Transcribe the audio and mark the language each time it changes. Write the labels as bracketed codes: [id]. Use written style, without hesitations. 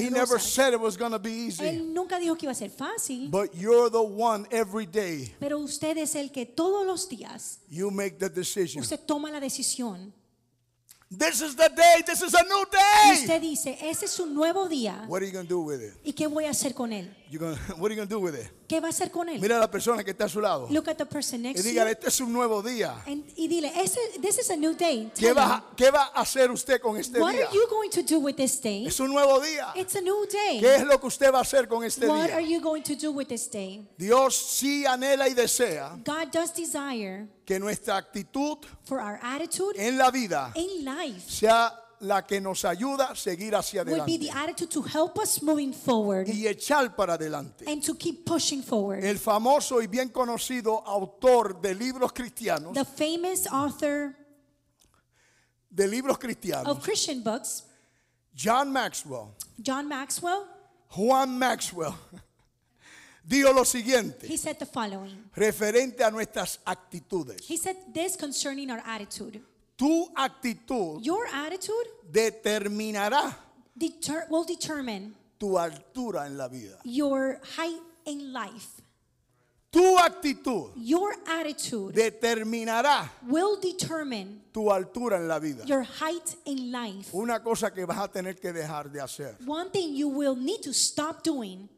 [es] rosas. [en] He never said it was going to be easy. [es] Él nunca dijo que iba a ser fácil. [en] But you're the one every day. [es] Pero usted es el que todos los días. [en] You make the decision. [es] Usted toma la decisión. [en] This is the day. This is a new day. [es] Y usted dice, ese es un nuevo día. [en] What are you going to do with it? [es] ¿Y qué voy a hacer con él? [en] What are you going to do with it? [es] ¿Qué va a hacer con él? Mira a la persona que está a su lado. [en] Look at the person next to you. [es] Y dígale, este es un nuevo día. Y dile, [en] this is a new day. [es] ¿Qué va a hacer usted con este día? [en] What are you going to do with this day? [es] Es un nuevo día. [en] It's a new day. [es] ¿Qué es lo que usted va a hacer con este día? [en] What are you going to do with this day? [es] Dios sí anhela y desea. [en] God does desire. [es] Que nuestra actitud. [en] For our attitude. [es] En la vida. [en] In life. [es] Sea la que nos ayuda a seguir hacia adelante. [en] Would be the attitude to help us moving forward. [es] Y echar para adelante. [en] And to keep pushing forward. [es] El famoso y bien conocido autor de libros cristianos. [en] The famous author. [es] De libros cristianos. [en] Of Christian books. John Maxwell. John Maxwell. [es] Juan Maxwell. Dijo lo siguiente. [en] He said the following. [es] Referente a nuestras actitudes. [en] He said this concerning our attitude. [es] Tu actitud, [en] your attitude, [es] determinará, [en] will determine, [es] tu altura en la vida, [en] your height in life. [es] Tu actitud, [en] your attitude, [es] determinará, [en] will determine, [es] tu altura en la vida, [en] your height in life. [es] Una cosa que vas a tener que dejar de hacer, [en] one thing you will need to stop doing,